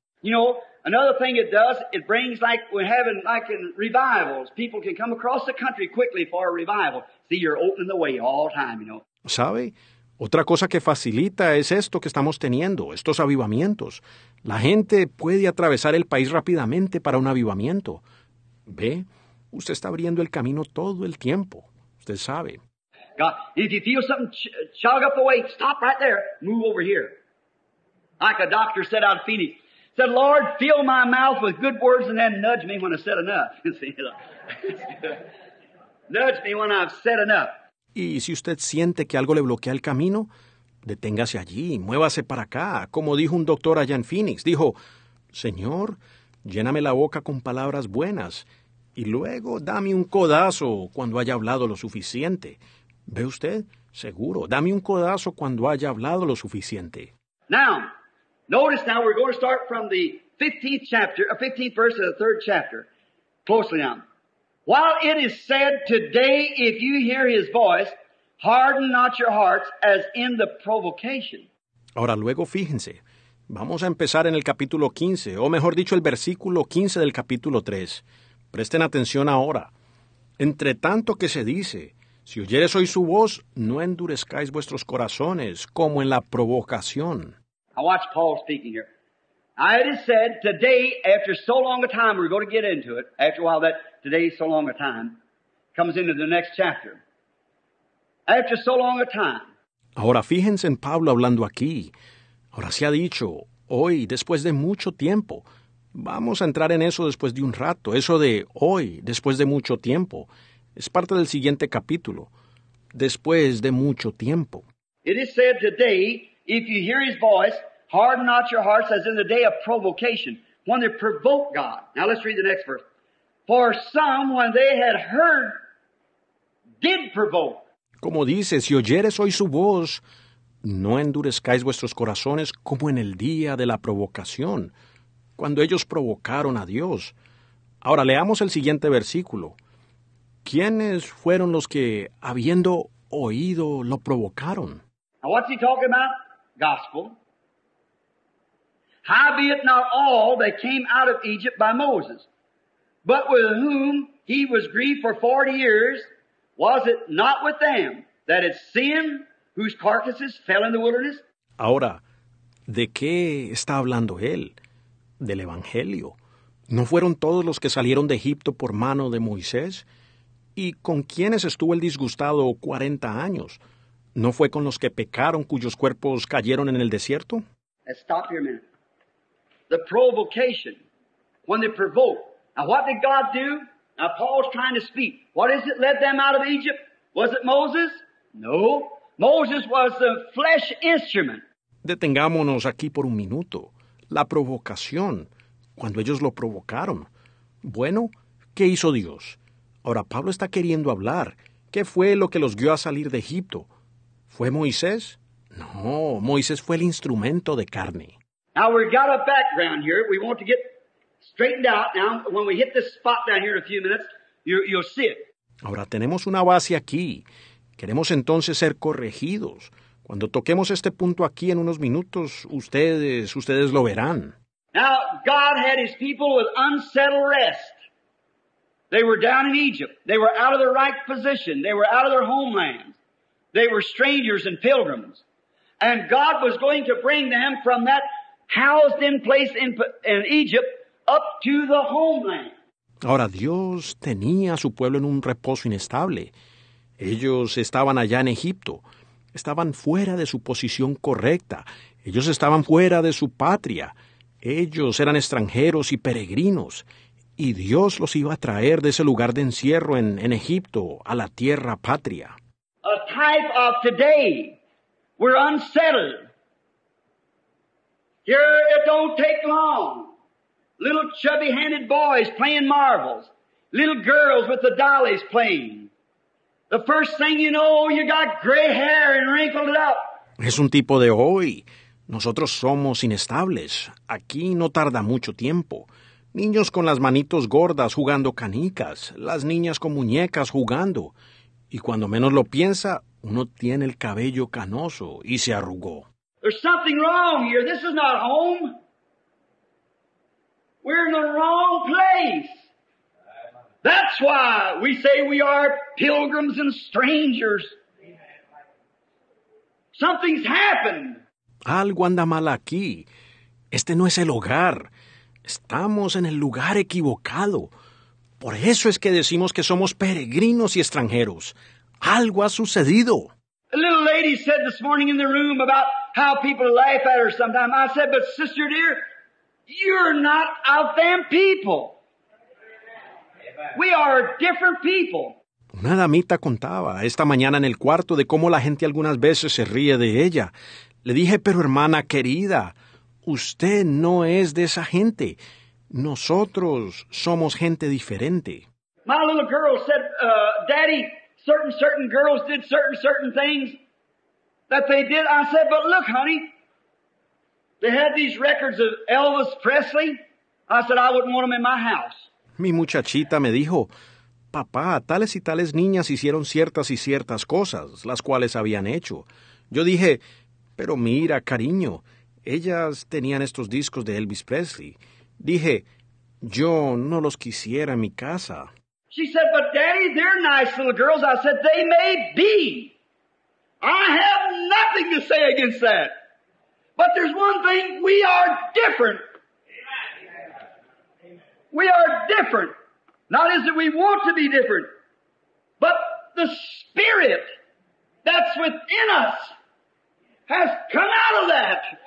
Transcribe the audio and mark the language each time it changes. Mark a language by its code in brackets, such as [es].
[en] You know, another thing it does, it brings like we're having like in revivals. People can come across the country quickly for a revival. See, you're opening the way all the time, you know. [es] ¿Sabe? Otra cosa que facilita es esto que estamos teniendo, estos avivamientos. La gente puede atravesar el país rápidamente para un avivamiento. ¿Ve? Usted está abriendo el camino todo el tiempo. Usted sabe. [en] God, if you feel something chug up the way, stop right there. Move over here. Like a doctor said out of Phoenix. Said, Lord, fill my mouth with good words and then nudge me when I've said enough. Nudge me when I've said enough. [es] Y si usted siente que algo le bloquea el camino, deténgase allí, muévase para acá. Como dijo un doctor allá en Phoenix, dijo, Señor, lléname la boca con palabras buenas y luego dame un codazo cuando haya hablado lo suficiente. ¿Ve usted? Seguro, dame un codazo cuando haya hablado lo suficiente. [en] Now, notice now we're going to start from the 15th chapter, 15th verse of the 3rd chapter. Closely now. While it is said, today, if you hear his voice, Harden not your hearts as in the provocation. [es] Ahora luego fíjense, vamos a empezar en el capítulo 15, o mejor dicho, el versículo 15 del capítulo 3. Presten atención ahora. Entre tanto que se dice, si oyeres hoy su voz, no endurezcáis vuestros corazones, como en la provocación. [en] Now watch Paul speaking here. I just said, today, after so long a time, we're going to get into it, after a while that today is so long a time, comes into the next chapter. After so long a time. [es] Ahora fíjense en Pablo hablando aquí. Ahora se ha dicho, hoy, después de mucho tiempo. Vamos a entrar en eso después de un rato. Eso de hoy, después de mucho tiempo, es parte del siguiente capítulo. Después de mucho tiempo. [en] It is said today, if you hear his voice, harden not your hearts as in the day of provocation, when they provoke God. Now let's read the next verse. For some, when they had heard, did provoke. [es] Como dice, si oyeres hoy su voz, no endurezcáis vuestros corazones como en el día de la provocación, cuando ellos provocaron a Dios. Ahora leamos el siguiente versículo. ¿Quiénes fueron los que, habiendo oído, lo provocaron? [en] Now what's he talking about? Gospel. Howbeit not all that came out of Egypt by Moses, but with whom he was grieved for 40 years, was it not with them that had sinned, whose carcasses fell in the wilderness? [es] Ahora, ¿de qué está hablando él? Del Evangelio. ¿No fueron todos los que salieron de Egipto por mano de Moisés? ¿Y con quiénes estuvo el disgustado 40 años? ¿No fue con los que pecaron cuyos cuerpos cayeron en el desierto? [en] Stop here a minute. The provocation, when they provoke. Now what did God do? Now Paul's trying to speak. What is it led them out of Egypt? Was it Moses? No. Moses was the flesh instrument. [es] Detengámonos aquí por un minuto. La provocación, cuando ellos lo provocaron. Bueno, ¿qué hizo Dios? Ahora Pablo está queriendo hablar. ¿Qué fue lo que los guió a salir de Egipto? ¿Fue Moisés? No, Moisés fue el instrumento de carne. [en] Now we've got a background here. We want to get straightened out. Now when we hit this spot down here in a few minutes, you'll see it. [es] Ahora tenemos una base aquí. Queremos entonces ser corregidos. Cuando toquemos este punto aquí en unos minutos, ustedes lo verán. [en] Now God had his people with unsettled rest. They were down in Egypt. They were out of their right position. They were out of their homeland. They were strangers and pilgrims. And God was going to bring them from that housed in place in Egypt up to the homeland. [es] Ahora Dios tenía a su pueblo en un reposo inestable. Ellos estaban allá en Egipto. Estaban fuera de su posición correcta. Ellos estaban fuera de su patria. Ellos eran extranjeros y peregrinos. Y Dios los iba a traer de ese lugar de encierro en Egipto a la tierra patria. [en] A type of today. We're unsettled. Here it don't take long. Little chubby-handed boys playing marbles. Little girls with the dollies playing. The first thing you know, you got gray hair and wrinkled up. [es] Es un tipo de hoy. Nosotros somos inestables. Aquí no tarda mucho tiempo. Niños con las manitos gordas jugando canicas. Las niñas con muñecas jugando. Y cuando menos lo piensa, uno tiene el cabello canoso y se arrugó. [en] There's something wrong here. This is not home. We're in the wrong place. That's why we say we are pilgrims and strangers. Something's happened. [es] Algo anda mal aquí. Este no es el hogar. Estamos en el lugar equivocado. Por eso es que decimos que somos peregrinos y extranjeros. Algo ha sucedido. [en] A little lady said this morning in the room about how people laugh at her sometimes. I said, but sister dear, you're not of them people. We are different people. [es] Una damita contaba esta mañana en el cuarto de cómo la gente algunas veces se ríe de ella. Le dije, pero hermana querida, usted no es de esa gente. Nosotros somos gente diferente. [en] My little girl said, daddy, certain girls did certain things that they did. I said, but look, honey, they had these records of Elvis Presley. I said, I wouldn't want them in my house. [es] Mi muchachita me dijo, papá, tales y tales niñas hicieron ciertas y ciertas cosas, las cuales habían hecho. Yo dije, pero mira, cariño, ellas tenían estos discos de Elvis Presley. Dije, yo no los quisiera en mi casa. [en] She said, but Daddy, they're nice little girls. I said, they may be. I have nothing to say against that. But there's one thing, we are different. We are different. Not as that we want to be different, but the spirit that's within us has come out of that.